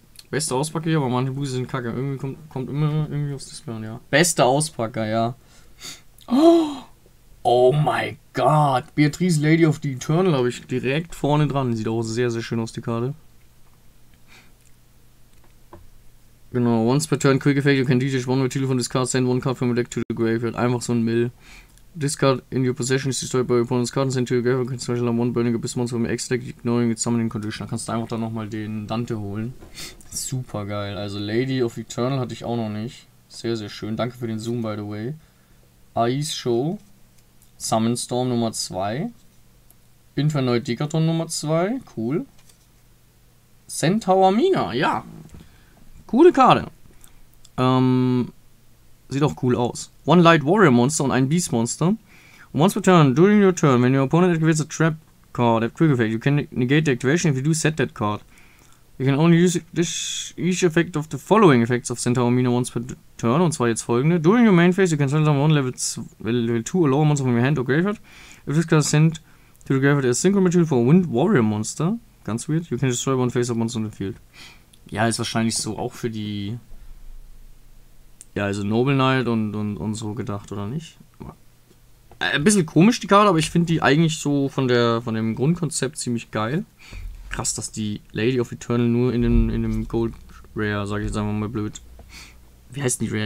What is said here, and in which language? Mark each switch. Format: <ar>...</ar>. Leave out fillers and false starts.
<de>Beste Auspacker, aber manche Buße sind kacke. Irgendwie kommt immer irgendwie aus das Plan, ja. Beste Auspacker, ja.</de> <en>Oh my god.</en> <de>Beatrice Lady of the Eternal habe ich direkt vorne dran. Sieht auch sehr, sehr schön aus, die Karte.</de> <en>Genau, once per turn, quick effect, you can detach one material from this card, send one card from your deck to the graveyard.</en> <de>Einfach so ein Mill.</de> <en>This card in your possession is destroyed by your opponent's card and sent to your graveyard. You can special on one burning abyss monster from your extra deck, ignoring its summoning condition.</en> <de>Da kannst du einfach dann nochmal den Dante holen. Super geil. Also Lady of Eternal hatte ich auch noch nicht. Sehr, sehr schön. Danke für den Zoom, by the way. Ice Show. Summon Storm Nummer 2. Infernoid Decathlon Nummer 2. Cool. Centaur Mina. Ja. Coole Karte. Sieht auch cool aus. One Light Warrior Monster und ein Beast Monster.</de> <en>Once per turn, during your turn, when your opponent activates a trap card at quick effect, you can negate the activation if you do set that card. You can only use each effect of the following effects of Centaur Mina once per turn,</en> <de>und zwar jetzt folgende.</de> <en>During your main phase, you can send down one level 2 or lower monster from your hand or graveyard. If this card is sent to the graveyard as synchro material for a Wind Warrior Monster,</en> <de>ganz weird,</de> <en>you can destroy one face of monster on the field.</en> <de>Ja, ist wahrscheinlich so auch für die... ja, also Noble Knight und so gedacht, oder nicht? Ein bisschen komisch, die Karte, aber ich finde die eigentlich so von dem Grundkonzept ziemlich geil. Krass, dass die Lady of Eternal nur in dem Gold Rare, sag ich jetzt einfach mal blöd. Wie heißt die Rare?</de>